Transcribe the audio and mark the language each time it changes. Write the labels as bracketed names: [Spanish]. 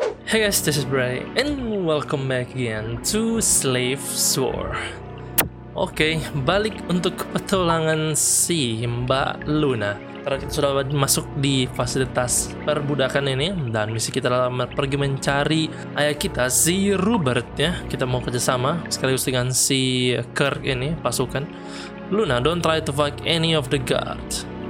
[English] Hey guys, this is Bray, and welcome back again to Slave Sword. [Indonesian] Okay, balik untuk petualangan si Mbak Luna. Karena kita sudah masuk di fasilitas perbudakan ini, dan misi kita adalah pergi mencari ayah kita, si Rupert ya. Kita mau kerjasama sekaligus dengan si Kirk ini, pasukan. [English] Luna, don't try to fuck any of the guards.